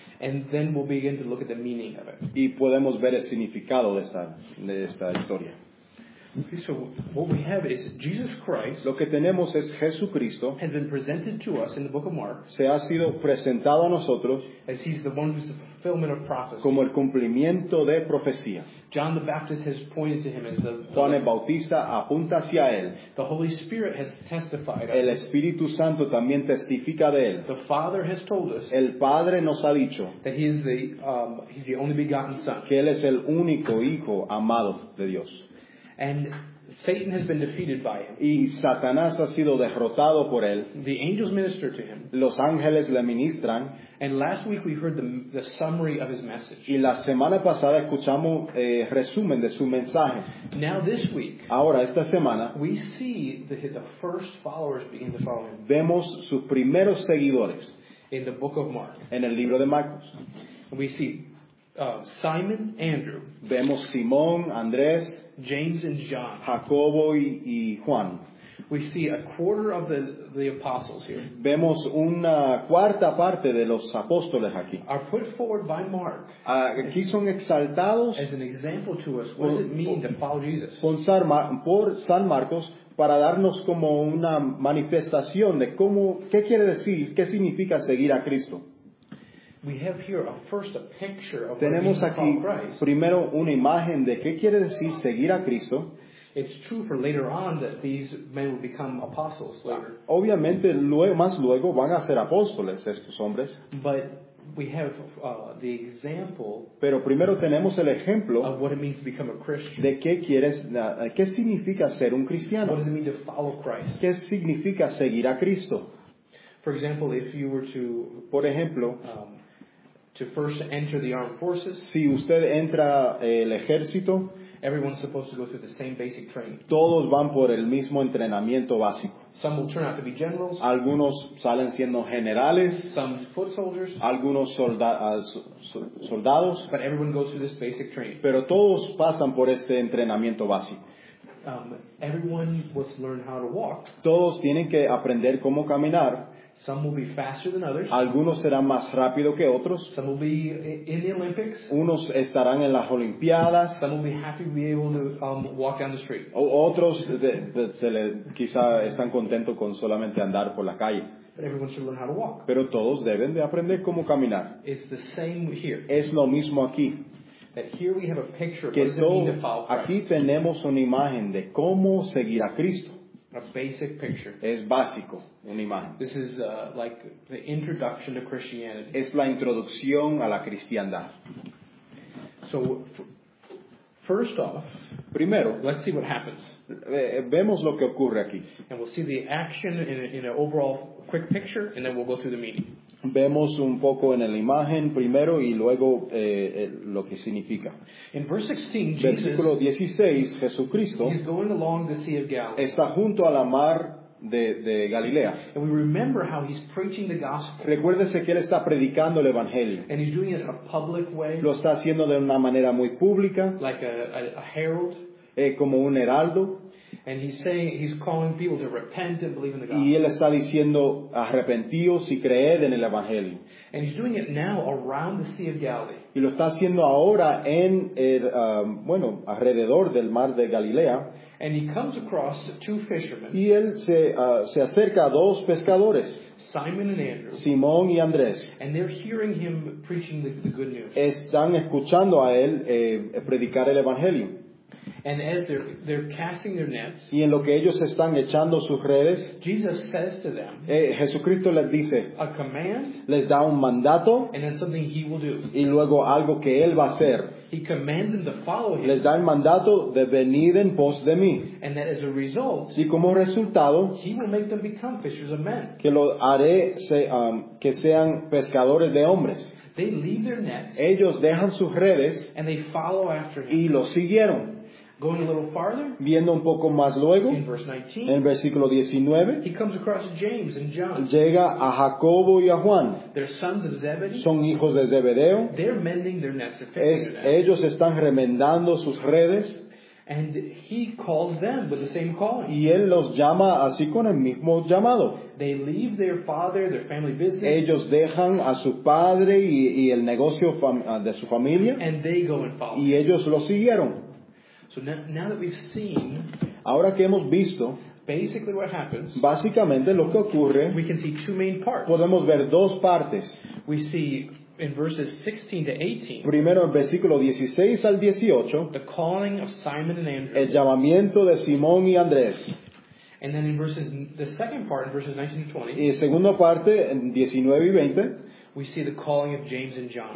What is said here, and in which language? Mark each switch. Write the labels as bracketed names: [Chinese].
[English] And then we'll begin to look at the meaning of it. [Spanish] Y podemos ver el significado de esta historia. [English] Okay, so what we have is Jesus Christ. [Spanish] Lo que tenemos es Jesucristo. [English] Has been presented to us in the book of Mark. [Spanish] Se ha sido presentado a nosotros. [English] As he's the one who's the fulfillment of prophecy. [Spanish] Como el cumplimiento de profecía. [English] John the Baptist has pointed to him as the [Spanish] Juan el Bautista apunta hacia él. [English] The Holy Spirit has testified. [Spanish] El Espíritu Santo también testifica de él. [English] The Father has told us. [Spanish] El Padre nos ha dicho [English] that he is the he's the only begotten Son. [Spanish] Que él es el único hijo amado de Dios. [English] And Satan has been defeated by him. [Spanish] Y Satanás ha sido derrotado por él. [English] The angels minister to him. [Spanish] Los ángeles le ministran. [English] And last week we heard the summary of his message. [Spanish] Y la semana pasada escuchamos resumen de su mensaje. [English] Now this week. [Spanish] Ahora esta semana. [English] We see the first followers begin to follow him. [Spanish] Vemos sus primeros seguidores. [English] In the book of Mark. [Spanish] En el libro de Marcos. [English] We see Simon, Andrew. [Spanish] Vemos Simón, Andrés. [English] James and John. [Spanish] Jacobo y Juan. [English] We see a quarter of the apostles here. [Spanish] Vemos una cuarta parte de los apóstoles aquí. [English] Are put forward by Mark. [Spanish] Aquí son exaltados. [English] As an example to us, what does it mean to follow Jesus? [Spanish] Por San Marcos para darnos como una manifestación de cómo, qué quiere decir, qué significa seguir a Cristo. [English] We have here a picture of [Spanish] tenemos aquí primero una imagen de qué quiere decir seguir a Cristo. [English] It's true for later on that these men will become apostles later. [Spanish] Obviamente luego van a ser apóstoles estos hombres. [English] But we have the example. [Spanish] Pero primero tenemos el ejemplo [English] of what it means to become a Christian. [Spanish] De qué significa ser un cristiano. [English] What does it mean to follow Christ? [Spanish] ¿Qué significa seguir a Cristo? [English] For example, if you were to, [Spanish] por ejemplo, [English] to first enter the armed forces. [Spanish] Si usted entra el ejército. [English] Everyone's supposed to go through the same basic training. [Spanish] Todos van por el mismo entrenamiento básico. [English] Some will turn out to be generals. [Spanish] Algunos salen siendo generales. [English] Some foot soldiers. [Spanish] Algunos soldados. [English] But everyone goes through this basic training. [Spanish] Pero todos pasan por este entrenamiento básico. [English] Everyone must learn how to walk. [Spanish] Todos tienen que aprender cómo caminar. [English] Some will be faster than others. [Spanish] Algunos serán más rápido que otros. [English] Some will be in the Olympics. [Spanish] Unos estarán en las Olimpiadas. [English] Some will be happy to be able to walk down the street. [Spanish] Otros quizá están contentos con solamente andar por la calle. [English] But everyone should learn how to walk. [Spanish] Pero todos deben de aprender cómo caminar. [English] It's the same here. [Spanish] Es lo mismo aquí. [English] That here we have a picture of what does it mean to follow Christ. [Spanish] Aquí tenemos una imagen de cómo seguir a Cristo. [English] A basic picture. [Spanish] Es básico, una imagen. [English] This is like the introduction to Christianity. [Spanish] Es la introducción a la cristiandad. [English] So, first off, [Spanish] primero, [English] let's see what happens. [Spanish] Vemos lo que ocurre aquí. [English] And we'll see the action in an overall quick picture, and then we'll go through the meaning. [Spanish] vemos un poco en la imagen primero y luego lo que significa. [English] In verse 16, [Spanish] versículo 16, Jesucristo [English] is going along the Sea of Galilee. [Spanish] Está junto a la mar de Galilea. [English] And we remember how he's preaching the gospel. [Spanish] Recuérdese que él está predicando el evangelio. [English] And he's doing it in a public way. [Spanish] Lo está haciendo de una manera muy pública. [English] Like a herald. [Spanish] Como un heraldo. [English] And he's saying, he's calling people to repent and believe in the gospel. [Spanish] Y él está diciendo, arrepentíos y creed en el evangelio. [English] And he's doing it now around the Sea of Galilee. [Spanish] Y lo está haciendo ahora en el, bueno, alrededor del mar de Galilea. [English] And he comes across two fishermen. [Spanish] Y él se acerca a dos pescadores. [English] Simon and Andrew. [Spanish] Simón y Andrés. [English] And they're hearing him preaching the good news. [Spanish] Están escuchando a él predicar el evangelio. [English] And as they're casting their nets, [Spanish] y en lo que ellos están echando sus redes, [English] Jesus says to them, [Spanish] Jesucristo les dice, [English] a command, [Spanish] les da un mandato, [English] and then something he will do. [Spanish] Y luego algo que él va a hacer. [English] He commands them to follow him. [Spanish] Les da el mandato de venir en pos de mí. [English] And that as a result, [Spanish] y como resultado, [English] he will make them become fishers of men. [Spanish] Que lo haré que sean pescadores de hombres. [English] They leave their nets, [Spanish] ellos dejan sus redes, [English] and they follow after him. [Spanish] Y lo siguieron. [English] Going a little farther, [Spanish] viendo un poco más luego, [English] in verse 19, [Spanish] en el versículo 19, [English] he comes across James and John. [Spanish] Llega a Jacobo y a Juan. [English] They're sons of Zebedee. [Spanish] Son hijos de Zebedeo. [English] They're mending their nets. [Spanish] Ellos están remendando sus redes. [English] And he calls them with the same call. [Spanish] Y él los llama así con el mismo llamado. [English] They leave their father, their family business. [Spanish] Ellos dejan a su padre y el negocio de su familia. [English] And they go and follow. [Spanish] Y ellos lo siguieron. [English] So now that we've seen, [Spanish] ahora que hemos visto, [English] basically what happens, [Spanish] básicamente lo que ocurre, [English] we can see two main parts. [Spanish] Podemos ver dos partes. [English] We see in verses 16 to 18, [Spanish] primero en versículo 16 al 18, [English] the calling of Simon and Andrew, [Spanish] el llamamiento de Simón y Andrés. [English] And then in verses, the second part, in verses 19 to 20, [Spanish] y segunda parte, en 19 y 20, [English] we see the calling of James and John,